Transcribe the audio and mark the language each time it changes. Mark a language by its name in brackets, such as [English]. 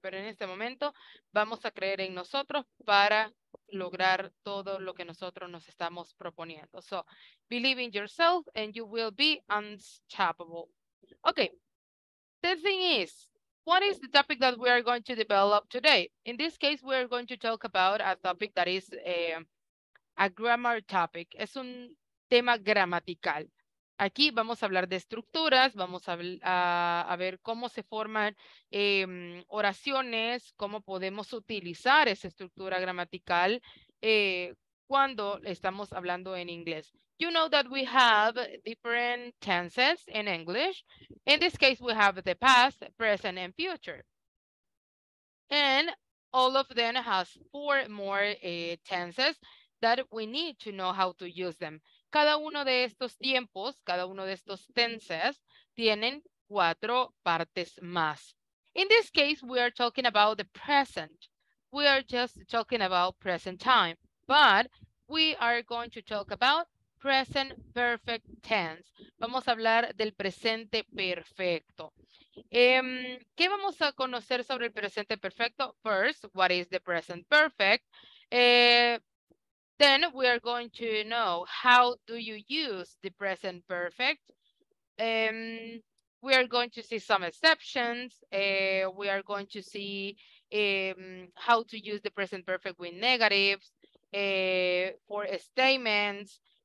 [Spanish] Pero en este momento vamos a creer en nosotros para lograr todo lo que nosotros nos estamos proponiendo. [English] So, believe in yourself and you will be unstoppable. Okay, the thing is, what is the topic that we are going to develop today? In this case, we are going to talk about a topic that is a grammar topic. [Spanish] Es un tema gramatical. Aquí vamos a hablar de estructuras, vamos a ver cómo se forman oraciones, cómo podemos utilizar esa estructura gramatical cuando estamos hablando en inglés. [English] You know that we have different tenses in English. In this case, we have the past, present, and future. And all of them has 4 more tenses that we need to know how to use them. [Spanish] Cada uno de estos tiempos, cada uno de estos tenses, tienen 4 partes más. [English] In this case, we are talking about the present. We are just talking about present time. But we are going to talk about present perfect tense. [Spanish] Vamos a hablar del presente perfecto. ¿Qué vamos a conocer sobre el presente perfecto? [English] First, what is the present perfect? Then we are going to know how do you use the present perfect. We are going to see some exceptions. We are going to see how to use the present perfect with negatives for statements.